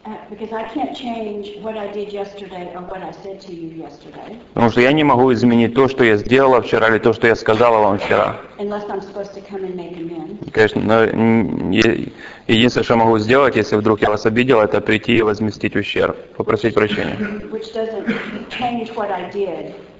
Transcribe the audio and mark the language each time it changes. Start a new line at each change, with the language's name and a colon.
English: Because I can't change what I did yesterday or what I said to you yesterday.
Russian: Потому что я не могу изменить то, что я сделала вчера или то, что я сказала вам вчера.
English: Unless I'm supposed to come and make amends.
Russian: Конечно, но единственное, что я могу сделать, если вдруг я вас обидел, это прийти и возместить ущерб, попросить прощения.
English: Which doesn't change what I did.